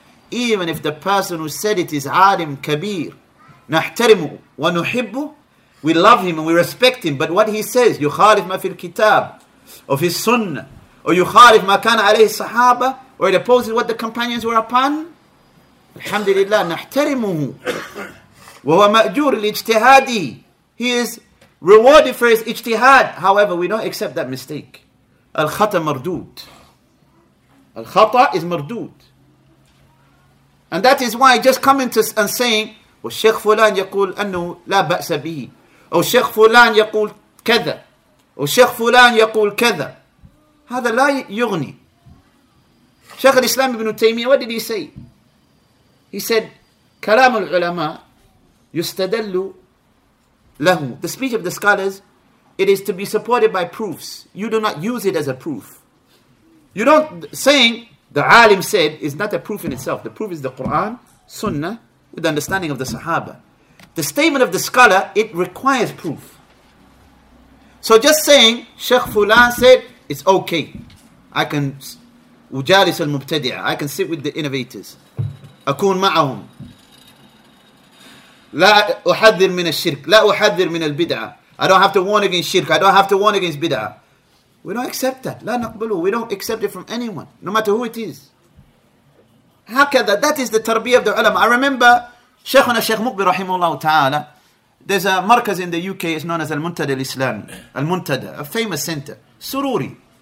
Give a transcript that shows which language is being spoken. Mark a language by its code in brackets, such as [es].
[en] Even if the person who said it is [ar] عَالِمْ كَبِيرٌ نَحْتَرِمُ وَنُحِبُّ, [en] we love him and we respect him, but what he says, [ar] يُخَالِفْ مَا فِي الْكِتَابِ [en] of his sunnah, or [ar] يُخَالِفْ مَا كَانَ عَلَيْهِ الصَّحَابَ, [en] or it opposes what the companions were upon, alhamdulillah, [ar] نَحْتَرِمُهُ وَهُوَ مَأْجُورِ لِإِجْتِهَادِهِ, [en] he is rewarded for his ijtihad. However, we don't accept that mistake. [ar] الْخَطَى مَرْدُود, الْخَطَى is مَرْدُود. [en] And that is why just coming to and saying, [ar] والشيخ فلان يقول أنه لا بأس به, أو الشيخ فلان يقول كذا, أو الشيخ فلان يقول كذا, هذا لا يغني. [en] شيخ الإسلام ابن تيمية, what did he say? He said, [ar] كلام العلماء يستدل له, [en] the speech of the scholars, it is to be supported by proofs. You do not use it as a proof. You don't, saying the alim said is not a proof in itself. The proof is the Quran, Sunnah, with the understanding of the Sahaba. The statement of the scholar, it requires proof. So just saying, Sheikh Fulan said, it's okay. I can, [ar] وجالس المبتدع, [en] I can sit with the innovators. [ar] أكون معهم. لا أحذر من الشرك. لا أحذر من البدعة. [en] I don't have to warn against shirk. I don't have to warn against bid'ah. We don't accept that. [ar] لا نقبله. [en] We don't accept it from anyone, no matter who it is. [ar] هكذا. [en] That is the tarbiyah of the ulama. I remember Shaykhuna Shaykh Muqbil rahimahullah ta'ala. There's a markaz in the UK. It's known as Al-Muntada al-Islam. Al-Muntada, a famous center. Sururi.